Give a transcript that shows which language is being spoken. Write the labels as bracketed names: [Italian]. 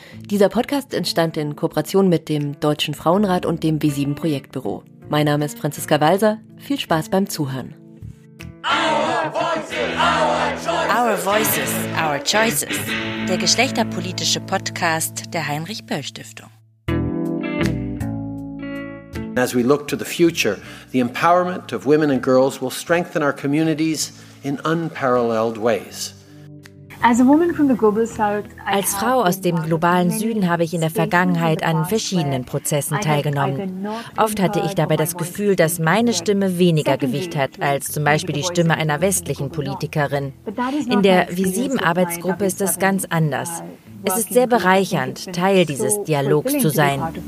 [German] Dieser Podcast entstand in Kooperation mit dem Deutschen Frauenrat und dem G7-Projektbüro. Mein Name ist Franziska Walser. Viel Spaß beim Zuhören. [English] Our Voices, Our Choices. [German] Der geschlechterpolitische Podcast der Heinrich-Böll-Stiftung. [English] As we look to the future, the empowerment of women and girls will strengthen our communities in unparalleled ways. [German] Als Frau aus dem globalen Süden habe ich in der Vergangenheit an verschiedenen Prozessen teilgenommen. Oft hatte ich dabei das Gefühl, dass meine Stimme weniger Gewicht hat als zum Beispiel die Stimme einer westlichen Politikerin. In der G7-Arbeitsgruppe ist das ganz anders. Es ist sehr bereichernd, Teil dieses Dialogs zu sein.